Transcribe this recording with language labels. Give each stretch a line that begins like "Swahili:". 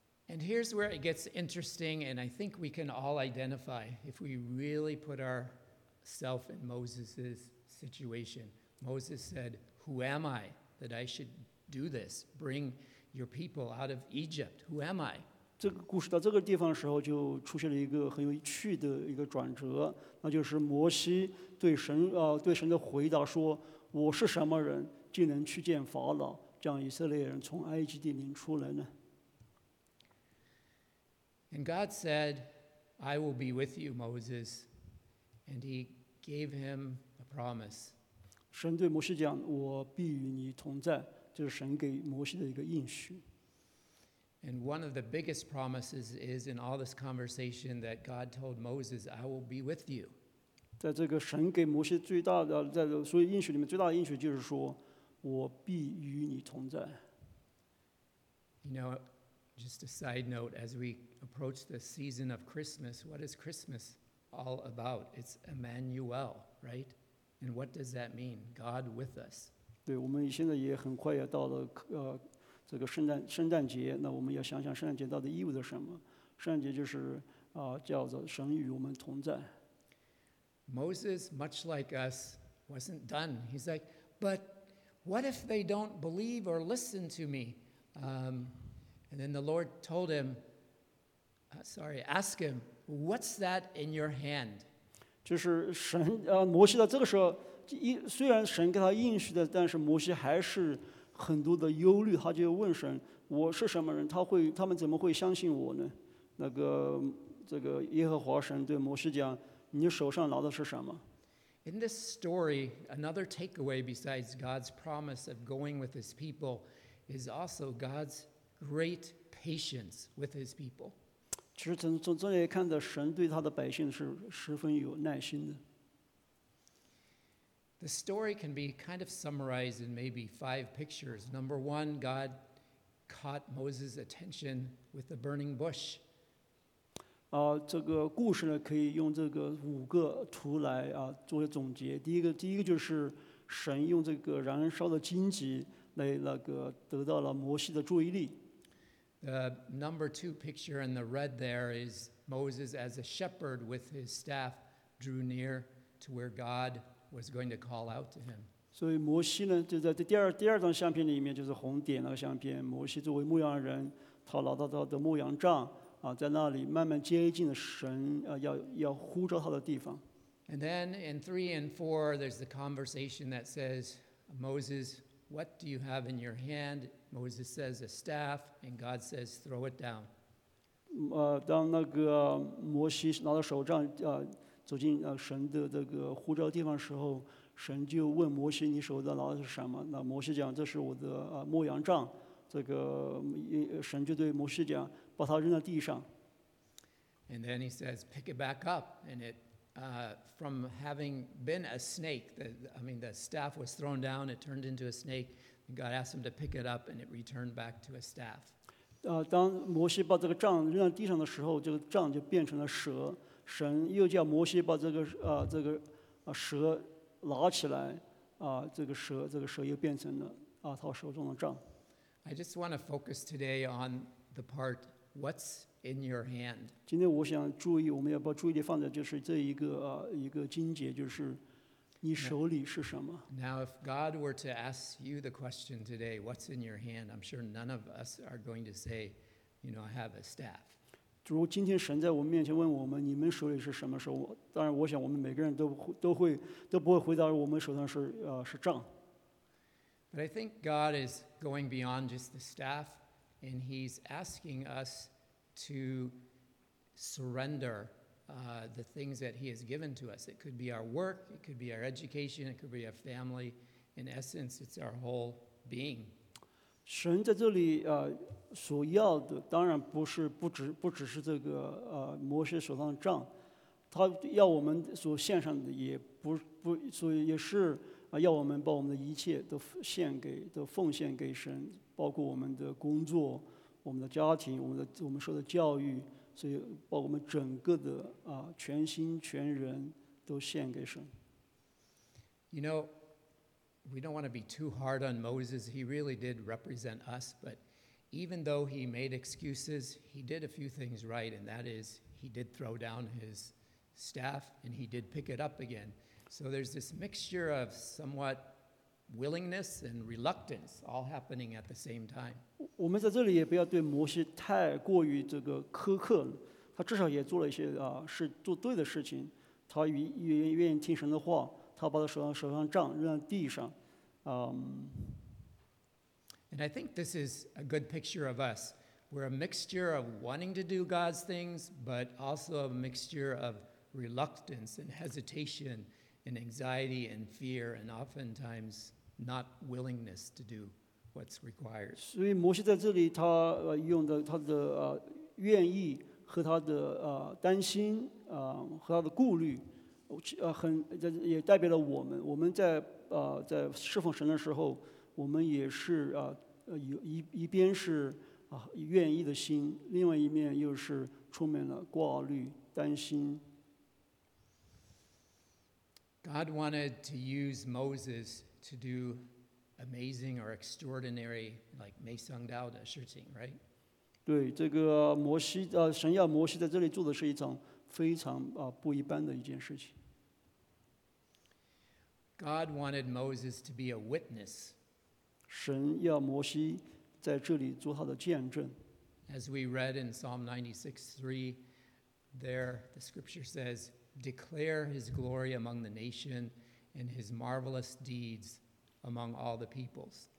English: And here's where it gets interesting, and I think we can all identify if we really put our self and Moses' situation. Moses said, who am I that I should do this? Bring your people out of Egypt. Who am I?
Chinese: 这个故事到这个地方的时候就出现了一个很有趣的一个转折，那就是摩西对 神的回答说，我是什么人竟能去见法老，将以色列人从埃及地领出来呢？
English: And God said, I will be with you, Moses. And he gave him a promise.
Chinese: 神对摩西讲，我必与你同在，这是神给摩西的一个应许。
English: And one of the biggest promises is in all this conversation that God told Moses, I will be with you.
Chinese: 在这个神给摩西最大的，在所有应许里面最大的应许就是说，我必与你同在。
English: You know, just a side note, as we approach the season of Christmas, what is Christmas all about? It's Emmanuel, right? And what does that mean? God with us.
Chinese: 对，我们现在也很快要到了这个圣诞节，那我们要想想圣诞节到底意味着什么？圣诞节就是叫做神与我们同在。
English: Moses, much like us, wasn't done. He's like, but what if they don't believe or listen to me? And then the Lord told him, ask him, what's that in your hand?
Chinese: 就是神摩西的这个时候，虽然神给他应许的，但是摩西还是。很多的忧虑，他就问神：“我是什么人？他们怎么会相信我呢？” 那个这个耶和华神对摩西讲：“你手上拿的是什么
English: ？”In this story, another takeaway besides God's promise of going with His people is also God's great patience with His people.
Chinese: 其实从这里看的，神对他的百姓是十分有耐心的。
English: The story can be kind of summarized in maybe five pictures. Number one, God caught Moses' attention with the burning bush.
Chinese: 这个故事呢，可以用这个五个图来做个总结。第一个就是神用这个燃烧的荆棘来那个得到了摩西的注意力。
English: The number two picture in the red there is Moses as a shepherd with his staff drew near to where God was going to call out to him.
Chinese: 所以摩西呢，就在第二张相片里面，就是红点那个相片。摩西作为牧羊人，他拿到他的牧羊杖啊，在那里慢慢接近了神要呼召他的地方。
English: And then in 3 and 4, there's the conversation that says, Moses, what do you have in your hand? Moses says, a staff, and God says, throw it down.
Chinese: 当那个摩西拿到手杖走进神的这个呼召地方的时候，神就问摩西：“你手上拿的是什么？”那摩西讲：“这是我的牧羊杖。” 这个神就对摩西讲：“把它扔在地上。”
English: And then he says, "Pick it back up." And it, from having been a snake, the staff was thrown down. It turned into a snake. And God asked him to pick it up, and it returned back to a staff.
Chinese: 当摩西把这个杖扔在地上的时候，这个杖就变成了蛇。神又叫摩西把这个蛇拿起来这个蛇又变成了他手中的杖。
English: I just want to focus today on the part what's in your hand.
Chinese: 今天我想注意，我们要把注意力放在就是这一个一个经节，就是你手里是什么。
English: Now if God were to ask you the question today, what's in your hand, I'm sure none of us are going to say, you know, I have a staff.
Chinese: 如今天神在我们面前问我们，你们手里是什么？手，当然，我想我们每个人都不会回答我们手上是杖。
English: But I think God is going beyond just the staff, and He's asking us to surrender the things that He has given to us. It could be our work, it could be our education, it could be our family. In essence, it's our whole being.
Chinese: 神在这里所要的当然不只是这个摩西手上的杖，他要我们所献上的也是要我们把我们的一切都奉献给神，包括我们的工作、我们的家庭、我们受的教育，所以把我们整个的全心全人都献给神。
English: You know,we don't want to be too hard on Moses. He really did represent us, but even though he made excuses, he did a few things right, and that is he did throw down his staff, and he did pick it up again. So there's this mixture of somewhat willingness and reluctance all happening at the same time.
Chinese: 我们在这里也不要对摩西太过于这个苛刻，他至少也做了一些啊，是做对的事情。他愿意听神的话，他把他手上杖扔在地上。
English: And I think this is a good picture of us. We're a mixture of wanting to do God's things, but also a mixture of reluctance and hesitation and anxiety and fear and oftentimes not willingness to do what's required.
Chinese: 所以摩西在这里他用的他的愿意和他的担心和他的顾虑很也代表了我们在在侍奉神的时候我们也是一边是愿意的心另外一面又是充满了挂虑担心
English: God wanted to use Moses to do amazing or extraordinary like
Chinese: Mei Sung Dao 的事情
English: right
Chinese: 对这个摩西神要摩西在这里做的是一场非常不一般的一件事情
English: God wanted Moses to be a witness
Chinese: 神要摩西在这里做他的见证。
English: As we read in Psalm 96:3, there the scripture says, "Declare his glory among the nation, and his marvelous deeds among all the peoples."